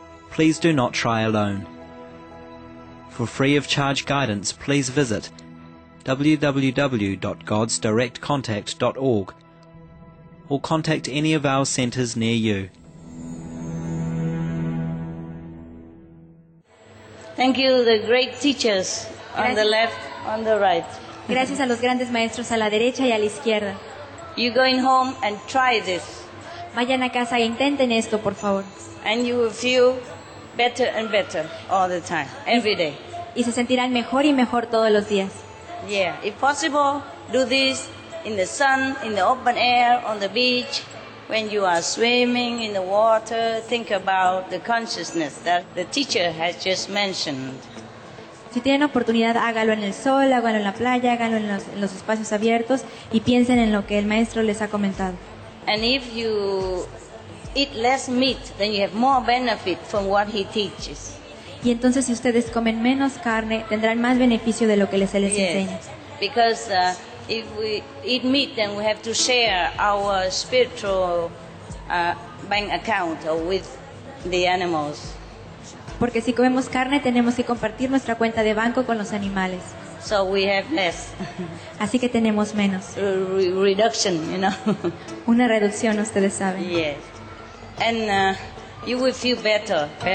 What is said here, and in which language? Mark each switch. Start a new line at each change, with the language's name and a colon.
English: Please do not try alone. For free of charge guidance, please visit www.godsdirectcontact.org or contact any of our centers near you. Thank you, the great teachers on the left, on the right.
Spanish: Gracias a los grandes maestros a la derecha y a la izquierda.
English: You going home and try this.
Spanish: Vayan a casa e intenten esto, por favor.
English: And you will feel better and better all the time, every day.
Spanish: Y se sentirán mejor y mejor todos los días.
English: Yeah, if possible, do this in the sun, in the open air, on the beach, when you are swimming in the water, think about the consciousness that the teacher has just mentioned.
Spanish: Si tienen oportunidad, hágalo en el sol, hágalo en la playa, hágalo en los espacios abiertos y piensen en lo que el maestro les ha comentado.
English: And if you eat less meat, then you have more benefit from what he teaches.
Spanish: Y entonces si ustedes comen menos carne, tendrán más beneficio de lo que se les enseña.
English: Because if we eat meat, then we have to share our spiritual bank account with the animals.
Spanish: Porque si comemos carne, tenemos que compartir nuestra cuenta de banco con los animales.
English: So we have less.
Spanish: Así que tenemos menos.
English: Reduction, you know.
Spanish: Una reducción, ustedes saben.
English: Yes. And you will feel better.